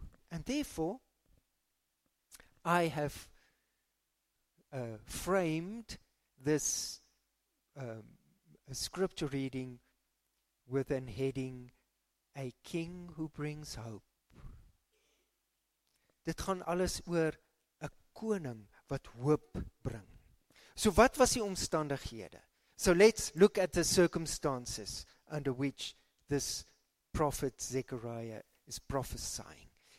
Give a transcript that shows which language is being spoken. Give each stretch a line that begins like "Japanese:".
English: And therefore, I have framed this scripture reading with an heading, A King Who Brings Hope.
Afrikaans: Dit gaan alles oor 'n koning wat hoop bring. So wat was die omstandighede?
English: So let's look at the circumstances under which this prophet Zechariah is prophesying.